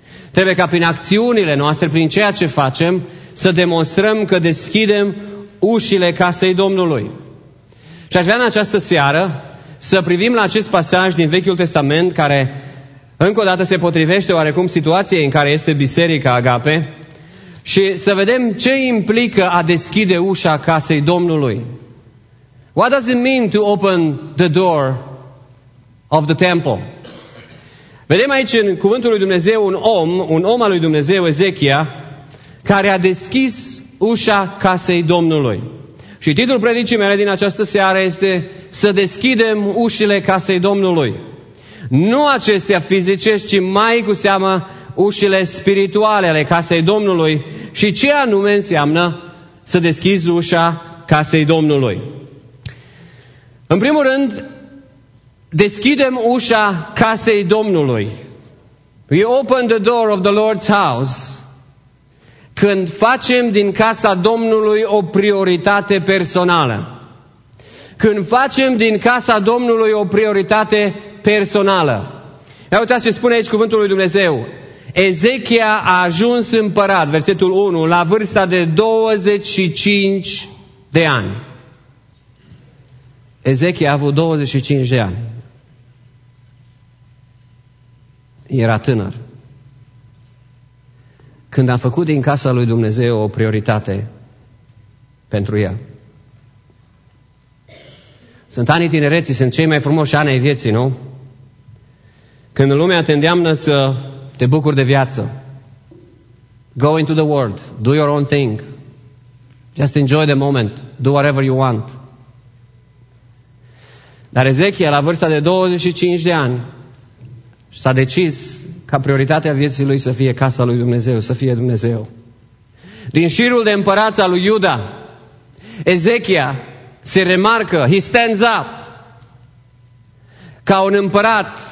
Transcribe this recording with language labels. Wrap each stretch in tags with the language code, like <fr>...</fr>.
<ro>Trebuie ca prin acțiunile noastre, prin ceea ce facem, să demonstrăm că deschidem ușile casei Domnului. Și aș vrea în această seară să privim la acest pasaj din Vechiul Testament, care încă o dată se potrivește oarecum situației în care este Biserica Agape, și să vedem ce implică a deschide ușa casei Domnului.</ro> <en>What does it mean to open the door of the temple?</en> <ro>Vedem aici în Cuvântul lui Dumnezeu un om al lui Dumnezeu, Ezechia, care a deschis ușa casei Domnului. Și titlul predicii mele din această seară este: să deschidem ușile casei Domnului. Nu acestea fizice, ci mai cu seamă ușile spirituale ale casei Domnului. Și ce anume înseamnă să deschizi ușa casei Domnului? În primul rând, deschidem ușa casei Domnului.</ro> <en>We open the door of the Lord's house.</en> <ro>Când facem din casa Domnului o prioritate personală. Când facem din casa Domnului o prioritate personală. Ia uitați ce spune aici cuvântul lui Dumnezeu. Ezechia a ajuns împărat, versetul 1, la vârsta de 25 de ani. Ezechia a avut 25 de ani. Era tânăr. Când a făcut din casa lui Dumnezeu o prioritate pentru el. Sunt anii tinereții, sunt cei mai frumoși ani ai vieții, nu? Când lumea te îndeamnă să te bucuri de viață.</ro> <en>Go into the world, do your own thing. Just enjoy the moment, do whatever you want.</en> <ro>Dar Ezechia, la vârsta de 25 de ani, s-a decis ca prioritatea vieții lui să fie casa lui Dumnezeu, să fie Dumnezeu. Din șirul de împărat al lui Iuda, Ezechia se remarcă,</ro> <en>he stands up,</en> <ro>ca un împărat</ro>